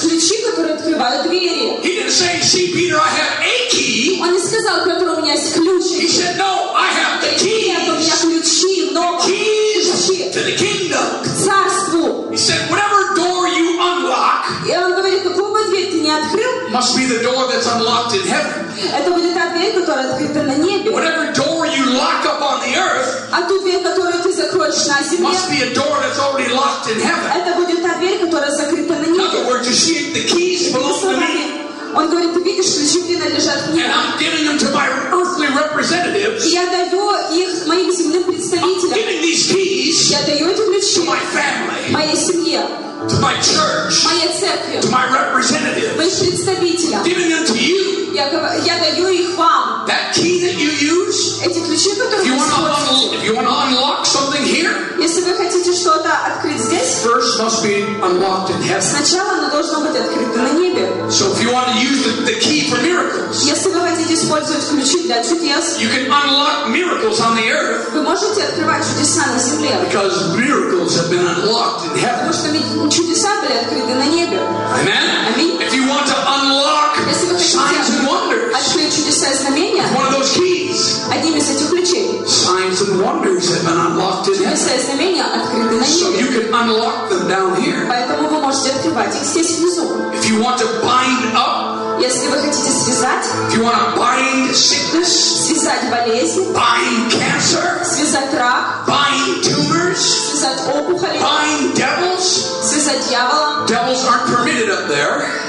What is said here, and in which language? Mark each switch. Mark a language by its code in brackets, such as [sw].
[ru] Ключи, которые открывают двери. [en] He didn't say, "See, Peter, I have a key." [ru] Он не сказал, Петр, у меня есть ключи. [en] He said, "No, I have the keys." [ru] Нет, у меня ключи, но [en] keys [ru] ключи. [en] To the kingdom. [ru] К царству. [en] He said, "Whatever door you unlock." [ru] И он говорит, какую бы дверь ты ни открыл. [en] Must be the door that's unlocked in heaven. [ru] Это будет та дверь, которая открыта на небе. [en] Whatever door you lock up on the earth. [ru] А ту дверь, которую ты закроешь на земле. [en] Must be a door that's already locked in heaven. [ru] Это будет та дверь, которая закрыта на небе. [en] In other words, you see, the keys belong to me. [ru] Он говорит, ты видишь, ключи принадлежат мне. [en] And I'm giving them to my earthly representatives. [ru] Я даю их моим земным представителям. [en] I'm giving these keys. [ru] Я даю эти ключи. [en] To my family. [ru] Моей семье. [en] To my church. [ru] Моя церковь. [en] To my representatives. [ru] Моим представителям. [en] Giving them to you. [ru] Я даю их вам. [en] That key that you use. [ru] Эти ключи, которые вы используете. [en] If you want to unlock something here. [ru] Если вы хотите что-то открыть здесь. [en] First must be unlocked in heaven. [ru] Сначала оно должно быть открыто на небе. [en] So if you want to use the key for miracles. [ru] Если вы хотите использовать ключи для чудес. [en] You can unlock miracles on the earth. [ru] Вы можете открывать чудеса на земле. [en] Because miracles have been unlocked in heaven. [ru] Потому что чудеса были открыты на небе. [en] Amen. If you want to unlock signs and wonders, [ru] чудеса и знамения, [en] one of those keys, [ru] одним из этих ключей, [en] signs and wonders have been unlocked in heaven. [ru] Чудеса и знамения открыты на небе. [en] So you can unlock them down here. [ru] Поэтому вы можете открывать их здесь внизу. [en] If you want to bind up, [ru] если вы хотите связать, [en] if you want to bind sickness, [ru] связать болезнь, [en] bind cancer, [ru] связать рак, [en] bind tumors, [ru] связать опухоли, [en] bind devils. Devils aren't permitted up there.